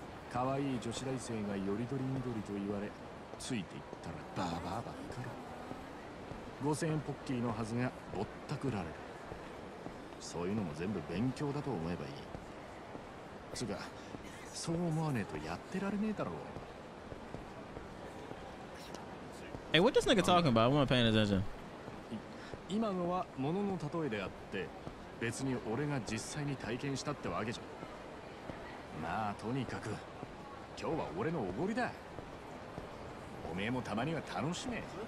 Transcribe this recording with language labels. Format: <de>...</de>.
<ja>可愛い女子大生がよりどりみどりと言われ、ついていったらバーバーばっかり。5000円ポッキーのはずがぼったくられる。そういうのも全部勉強だと思えばいい。つうか、そう思わねえとやってられねえだろう。</ja> <en>Hey, what this nigga talking about? I'm not paying attention.</en> <ja>今のは物の例えであって別に俺が実際に体験したってわけじゃ。まあとにかく今日は俺のおごりだ。おめえもたまには楽しめ。</ja>